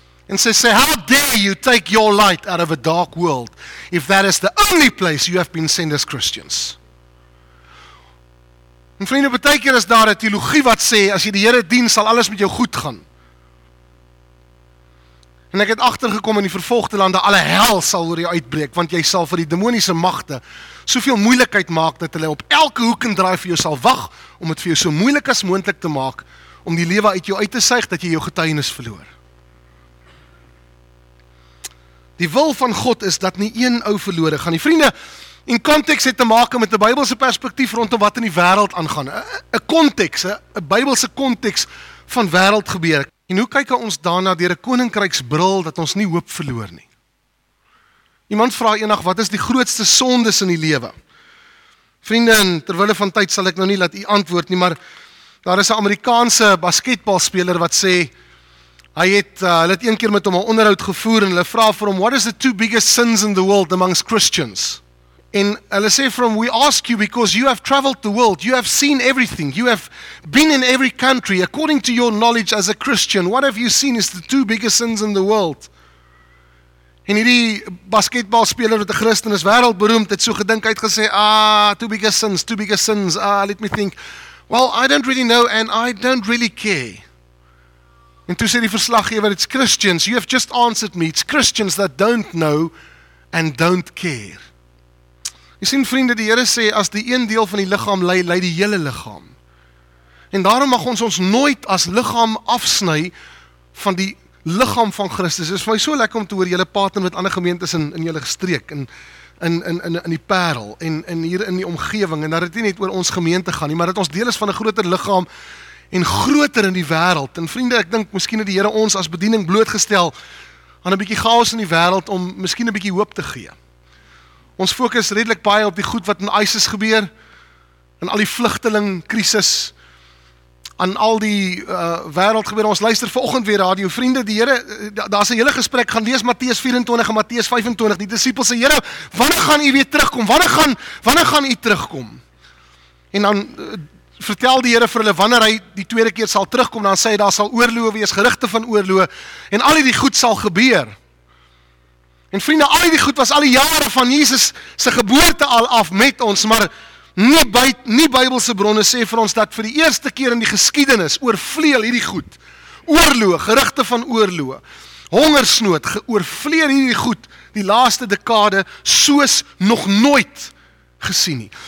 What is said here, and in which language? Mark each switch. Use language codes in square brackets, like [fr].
[af] En sy sê, [en] how dare you take your light out of a dark world, if that is the only place you have been sent as Christians. [af] En vriende, beteken is daar die theologie wat sê, as jy die Here dien, sal alles met jou goed gaan. En ek het agtergekom in die vervolgde lande, alle hel sal oor jou uitbreek, want jy sal vir die demoniese magte soveel moeilikheid maak, dat hulle op elke hoek en draai vir jou sal wag, om het vir jou so moeilik as moontlik te maak, om die lewe uit jou uit te suig, dat jy jou getuienis verloor. Die wil van God is, dat nie een ou verlore gaan. Die vriende, in context het te maak met die Bybelse perspektief rondom wat in die wêreld aangaan. Een context, een Bybelse context van wêreld gebeur. En hoe kyk ons daarna deur 'n koninkryksbril dat ons nie hoop verloor nie? Iemand vra eendag, wat is die grootste sondes in die lewe? Vriende, terwille van tyd sal ek nou nie laat u antwoord nie, maar daar is 'n Amerikaanse basketbalspeler wat sê, hulle het een keer met hom 'n onderhoud gevoer en hulle vra vir hom, [en] what is the two biggest sins in the world amongst Christians? [af] En hulle sê vir hom, [en] we ask you because you have traveled the world, you have seen everything, you have been in every country, according to your knowledge as a Christian, what have you seen is the two biggest sins in the world? [af] En hierdie basketbalspeler wat 'n Christen is, wêreldberoemd, het so gedink uitgesê, [en] two biggest sins, let me think, well, I don't really know and I don't really care. [af] En toe sê die verslaggewer, [en] it's Christians, you have just answered me, it's Christians that don't know and don't care. [af] Jy sien vriende, die Here sê, as die een deel van die liggaam lei, lei die hele liggaam. En daarom mag ons nooit as liggaam afsny van die liggaam van Christus. Dit is vir my so lekker om te hoor, julle partner met ander gemeentes in julle streek, in die Parel, en hier in die omgewing, en dat het nie net oor ons gemeente gaan nie, maar dat ons deel is van 'n groter liggaam, en groter in die wêreld. En vriende, ek dink, miskien het die Here ons as bediening blootgestel, aan 'n bietjie chaos in die wêreld, om miskien 'n bietjie hoop te gee. Ons fokus redelik baie op die goed wat in ISIS gebeur, en al die vlugtelingkrisis, aan al die wêreld gebeur. Ons luister vanoggend weer radio. Vriende, die Here, daar is 'n hele gesprek, gaan lees Matteus 24 en Matteus 25, die disipels sê, Here, wanneer gaan u weer terugkom? Wanneer gaan u terugkom? En dan vertel die Here vir hulle, wanneer hy die tweede keer sal terugkom, dan sê hy, daar sal oorloë wees, gerugte van oorloë, en al die goed sal gebeur. En vriende, al die goed was al die jare van Jesus se geboorte al af met ons, maar nie Bybelse bronne sê vir ons dat vir die eerste keer in die geskiedenis oorvleel hierdie goed, oorloë, gerugte van oorloë, hongersnood, oorvleel hierdie goed die laaste dekade soos nog nooit gesien nie.